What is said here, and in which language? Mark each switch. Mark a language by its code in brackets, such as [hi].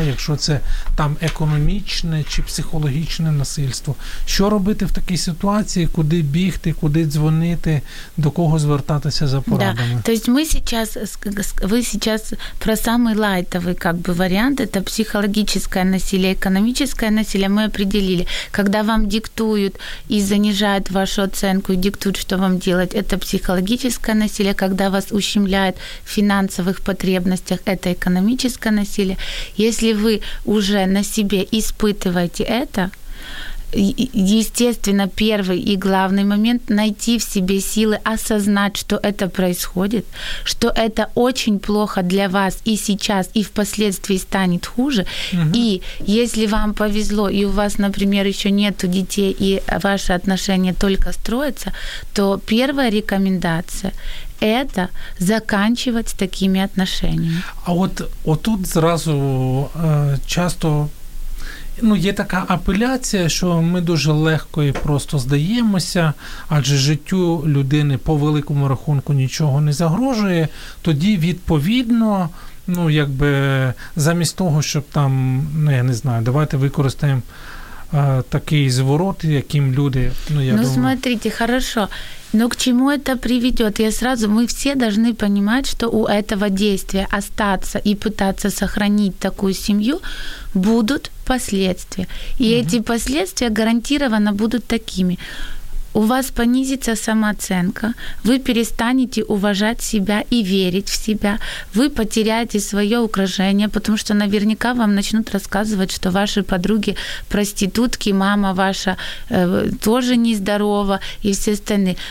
[uk] Якщо це там економічне чи психологічне насильство, що робити в такій ситуації, куди бігти, куди дзвонити, до кого звертатися за порадами? Да. Тобто ви зараз про самий лайтовий, як би, варіант, це психологічне насилля, економічне насилля, [ru] ми определили, [uk] коли вам диктують [ru] и занижают вашу оценку и диктуют, что вам делать. Это психологическое насилие, когда вас ущемляют в финансовых потребностях, это экономическое насилие. Если вы уже на себе испытываете это, естественно, первый и главный момент – найти в себе силы осознать, что это происходит, что это очень плохо для вас и сейчас, и впоследствии станет хуже. Угу. И если вам повезло, и у вас, например, еще нету детей, и ваши отношения только строятся, то первая рекомендация – это заканчивать с такими отношениями. А вот, тут сразу часто… [uk] Ну, є така апеляція, що ми дуже легко і просто здаємося, адже життю людини по великому рахунку нічого не загрожує, тоді відповідно, ну, якби замість того, щоб там, ну, я не знаю, давайте використаємо такий зворот, яким люди, ну, я ну, думаю. [ru] Ну, смотрите, хорошо. Но к чему это приведет? Мы все должны понимать, что у этого действия остаться и пытаться сохранить такую семью будут последствия. И эти последствия гарантированно будут такими. У вас понизится самооценка, вы перестанете уважать себя и верить в себя, вы потеряете свое украшение, потому что наверняка вам начнут рассказывать, что ваши подруги проститутки, мама ваша тоже нездорова и все остальные.